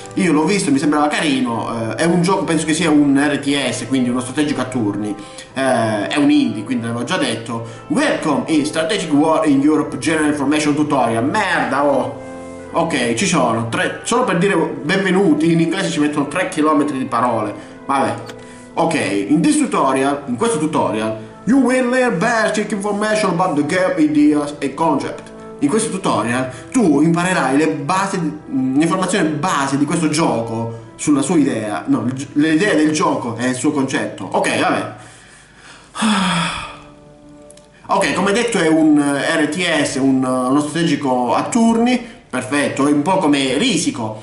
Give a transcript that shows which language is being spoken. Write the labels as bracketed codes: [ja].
[it] Io l'ho visto, mi sembrava carino. È un gioco, penso che sia un RTS, quindi uno strategico a turni. È un indie, quindi l'avevo già detto. [en] Welcome in Strategic War in Europe General Information Tutorial. [it] Merda, oh! Ok, ci sono. Solo per dire benvenuti, in inglese ci mettono 3 km di parole. Vabbè. [en] Ok, [it] in questo tutorial, [en] you will learn basic information about the game ideas and concept. [it] In questo tutorial tu imparerai le informazioni base di questo gioco, sulla sua idea, no, l'idea del gioco e il suo concetto. Ok, vabbè. Ok, come detto è un RTS, uno strategico a turni, perfetto, è un po' come Risiko.